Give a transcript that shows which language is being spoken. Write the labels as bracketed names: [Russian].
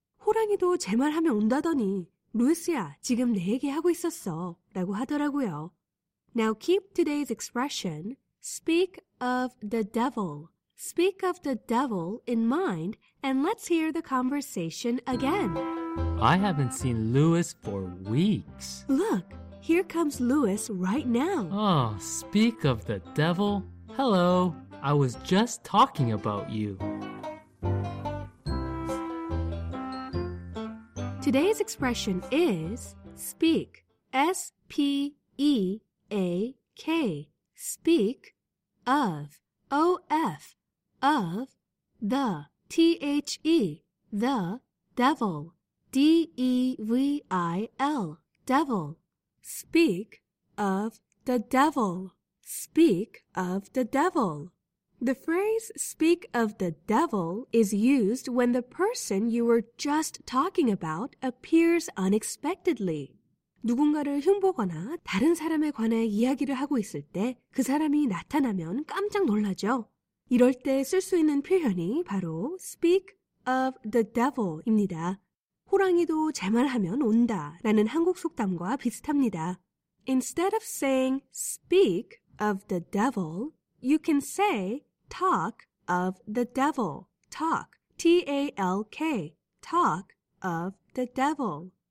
[Korean] 호랑이도 제 말하면 온다더니 루이스야, 지금 내 얘기하고 있었어 라고 하더라고요. [English] Now keep today's expression, speak of the devil. Speak of the devil in mind, and let's hear the conversation again. I haven't seen Louis for weeks. Look, here comes Louis right now. Oh, speak of the devil. Hello, I was just talking about you. Today's expression is speak, S-P-E. A-K, speak, of, O-F, of, the, T-H-E, the, devil, D-E-V-I-L, devil, speak, of, the devil, speak, of, the devil. The phrase speak of the devil is used when the person you were just talking about appears unexpectedly. [Korean] 누군가를 흉보거나 다른 사람에 관해 이야기를 하고 있을 때 그 사람이 나타나면 깜짝 놀라죠. 이럴 때 쓸 수 있는 표현이 바로 [English] speak of the devil [Korean] 입니다. 호랑이도 제 말하면 온다 라는 한국 속담과 비슷합니다. [English] Instead of saying speak of the devil, you can say talk of the devil. Talk, T-A-L-K, talk of the devil.